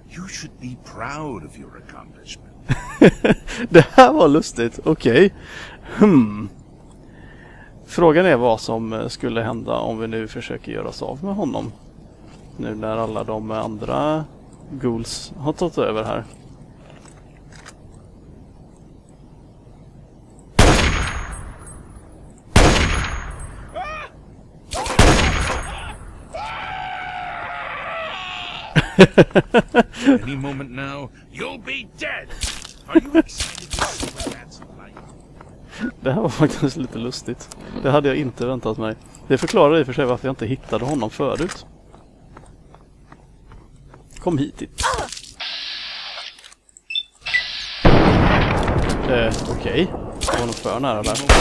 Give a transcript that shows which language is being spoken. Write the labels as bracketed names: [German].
[English] You should be proud of your accomplishment. [Swedish] Det här var lustigt, okej. Okay. Frågan är vad som skulle hända om vi nu försöker göra oss av med honom. Nu när alla de andra ghouls har tagit över här. [English] Any moment now, you'll be dead. Are you excited to see what that's like? [Swedish] Det här var faktiskt lite lustigt. Det hade jag inte väntat mig. Det förklarar i och för sig varför jag inte hittade honom förut. Kom hit. Okej. Okay. Var någon för nära där?